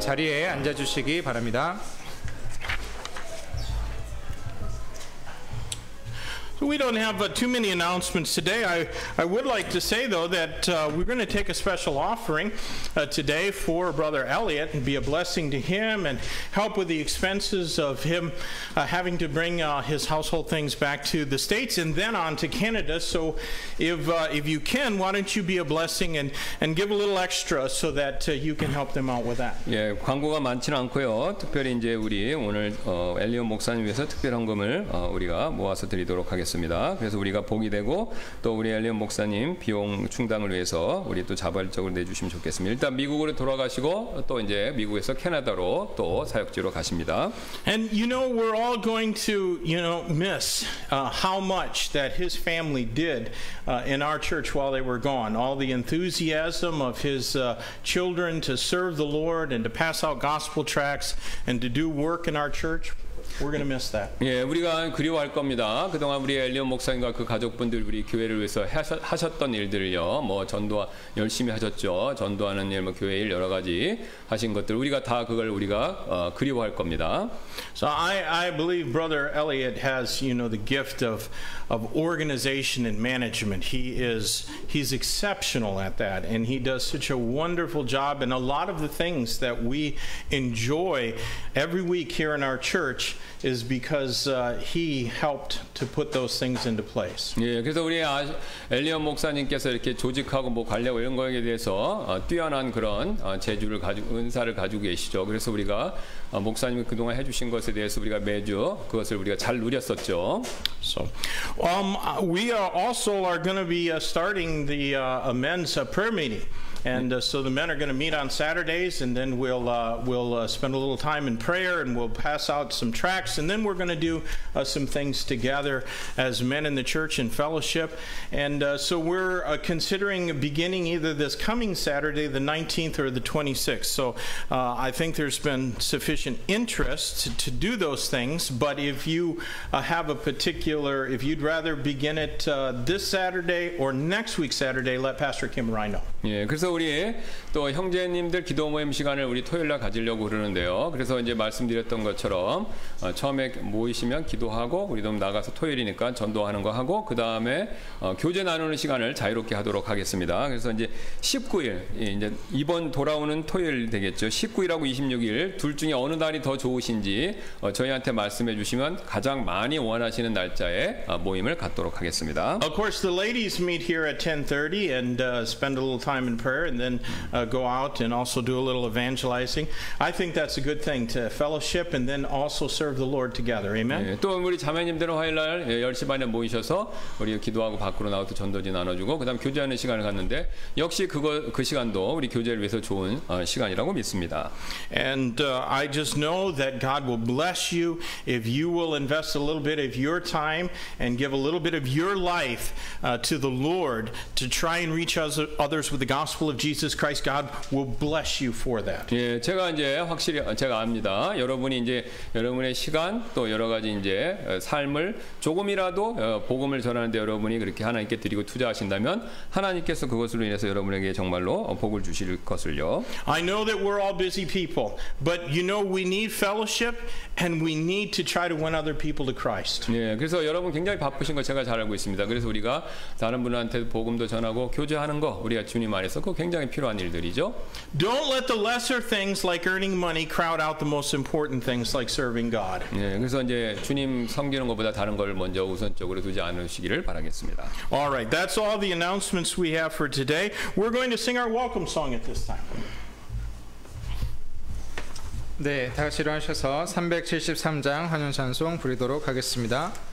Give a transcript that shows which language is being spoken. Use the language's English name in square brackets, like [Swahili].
[Korean] 자리에 앉아주시기 바랍니다. [English] So we don't have too many announcements today. I would like to say though that we're going to take a special offering today for Brother Elliot and be a blessing to him and help with the expenses of him having to bring his household things back to the States and then on to Canada. So if you can, why don't you be a blessing and give a little extra so that you can help them out with that. [Korean] 예, 광고가 많지는 않고요. 특별히 이제 우리 오늘 엘리엇 목사님 위해서 특별 헌금을 우리가 모아서 드리도록 하겠습니다. 그래서 우리가 복이 되고 또 우리 엘리엇 목사님 비용 충당을 위해서 우리 또 자발적으로 내주시면 좋겠습니다. 일단 미국으로 돌아가시고 또 이제 미국에서 캐나다로 또 사역지로 가십니다. [English] And you know we're all going to you know miss how much that his family did in our church while they were gone. All the enthusiasm of his children to serve the Lord and to pass out gospel tracts and to do work in our church. We're going to miss that. [Korean] 예, 우리가 그리워할 겁니다. 그동안 우리 엘리엇 목사님과 그 가족분들 우리 교회를 위해서 하셨던 일들요. 뭐 전도 열심히 하셨죠. 전도하는 일, 뭐 교회 일 여러 가지 하신 것들 우리가 다 그걸 우리가 그리워할 겁니다. [English] So I believe Brother Elliot has, you know, the gift of organization and management. He's exceptional at that and he does such a wonderful job and a lot of the things that we enjoy every week here in our church is because he helped to put those things into place. [Korean] 예, 그래서 우리 엘리엇 목사님께서 이렇게 조직하고 뭐 관리하고 이런 거에 대해서 뛰어난 그런 재주를 가지고 은사를 가지고 계시죠. 그래서 우리가 목사님이 그동안 해 주신 것에 대해서 우리가 매주 그것을 우리가 잘 누렸었죠. [English] So we are going to be starting the men's prayer meeting. And so the men are going to meet on Saturdays, and then we'll spend a little time in prayer, and we'll pass out some tracts, and then we're going to do some things together as men in the church in fellowship. And so we're considering beginning either this coming Saturday, the 19th, or the 26th. So I think there's been sufficient interest to do those things, but if you have a particular, if you'd rather begin it this Saturday or next week Saturday, let Pastor Kim or I know. Yeah, [Korean] 우리 또 형제님들 기도 모임 시간을 우리 토요일날 가지려고 그러는데요. 그래서 이제 말씀드렸던 것처럼 처음에 모이시면 기도하고 우리도 나가서 토요일이니까 전도하는 거 하고 그 다음에 교제 나누는 시간을 자유롭게 하도록 하겠습니다. 그래서 이제 19일 이제 이번 돌아오는 토요일 되겠죠. 19일하고 26일 둘 중에 어느 날이 더 좋으신지 저희한테 말씀해 주시면 가장 많이 원하시는 날짜에 모임을 갖도록 하겠습니다. [English] Of course, the ladies meet here at 10:30 and spend a little time in prayer and then go out and also do a little evangelizing. I think that's a good thing to fellowship and then also serve the Lord together. [Korean] Amen. 네, 또 우리 자매님들은 화요일 날 10시 반에 모이셔서 우리 기도하고 밖으로 나와서 전도지 나눠주고 그다음 교제하는 시간을 갖는데 역시 그 시간도 우리 교제를 위해서 좋은 시간이라고 믿습니다. [English] And I just know that God will bless you if you will invest a little bit of your time and give a little bit of your life to the Lord to try and reach others with the gospel of Jesus Christ. God will bless you for that. [Korean] 예, 제가 이제 확실히 제가 압니다. 여러분이 이제 여러분의 시간 또 여러 가지 이제 삶을 조금이라도 복음을 전하는데 여러분이 그렇게 하나님께 드리고 투자하신다면 하나님께서 그것으로 인해서 여러분에게 정말로 복을 주실 것을요. [English] I know that we're all busy people, but you know we need fellowship and we need to try to win other people to Christ. [Korean] 예, 그래서 여러분 굉장히 바쁘신 거 제가 잘 알고 있습니다. 그래서 우리가 다른 분한테 복음도 전하고 교제하는 거 우리가 주님 안에서 그 굉장히 필요한 일들이죠. [English] Don't let the lesser things like earning money crowd out the most important things like serving God. [Korean] 예, 그래서 이제 주님 섬기는 것보다 다른 걸 먼저 우선적으로 두지 않으시기를 바라겠습니다. [English] All right, that's all the announcements we have for today. We're going to sing our welcome song at this time. [Korean] 네, 다 같이 일어나셔서 373장 환영 찬송 부르도록 하겠습니다.